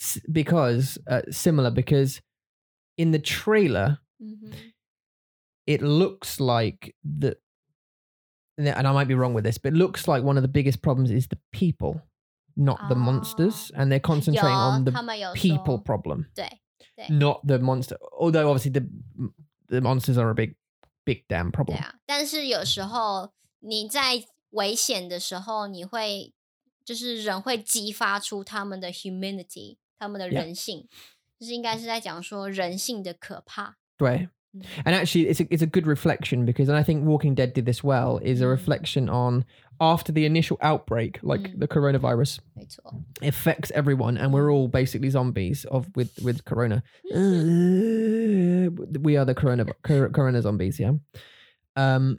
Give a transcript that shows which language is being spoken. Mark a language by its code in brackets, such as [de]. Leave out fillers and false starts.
[en] Because in the trailer, it looks like the, and I might be wrong with this, but it looks like one of the biggest problems is the people, not the monsters. And they're concentrating on the people problem. [zh] 对。 [en] Not the monster. Although obviously the monsters are a big damn problem. [zh] 对啊，但是有时候你在危险的时候，你会就是人会激发出他们的 humanity， 他们的人性，就是应该是在讲说人性的可怕。对。 [en] And actually, it's a good reflection because, and I think Walking Dead did this well, is a reflection on after the initial outbreak, like the coronavirus, affects everyone, and we're all basically zombies with corona. We are the corona zombies, yeah.